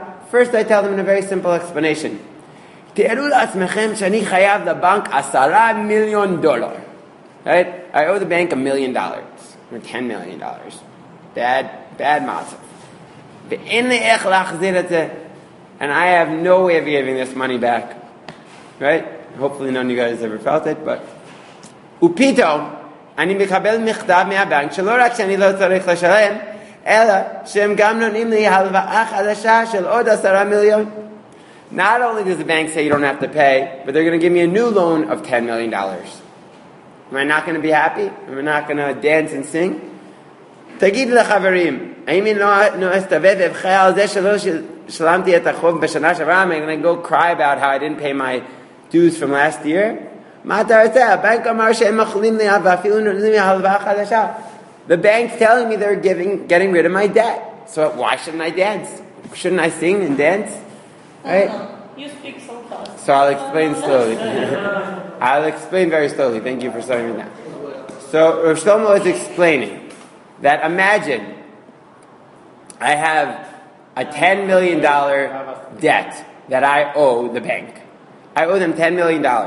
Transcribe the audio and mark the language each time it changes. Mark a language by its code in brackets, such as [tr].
[en] First I tell them in a very simple explanation. [he] תארו לעצמכם שאני חייב לבנק $10 million. [en] Right? I owe the bank $1 million. Or $10 million. Bad matzav. [he] ואין לי איך להחזיר את זה. [en] And I have no way of giving this money back. Right? Hopefully none of you guys ever felt it, but... [he] ופתאום, אני מקבל מכתב מהבנק שלא רק שאני לא צריך לשלם, אלא שהם גם נותנים לי הלוואה חדשה של עוד $10 million. [en] Not only does the bank say you don't have to pay, but they're going to give me a new loan of $10 million. Am I not going to be happy? Am I not going to dance and sing? [he] תגיד לחברים, האם אני אסתובב ובכה על זה שלא שלמתי את החוב בשנה שעברה, [en] am I going to go cry about how I didn't pay my dues from last year? [he] מה אתה רוצה? הבנק אמר שהם אוכלים לי ואפילו נותנים לי הלוואה חדשה. [en] The bank's telling me they're getting rid of my debt. So why shouldn't I dance? Shouldn't I sing and dance? Right? You speak so fast. So I'll explain slowly. I'll explain very slowly. Thank you for starting with that. So Rav Shlomo is explaining that imagine I have a $10 million debt that I owe the bank. I owe them $10 million.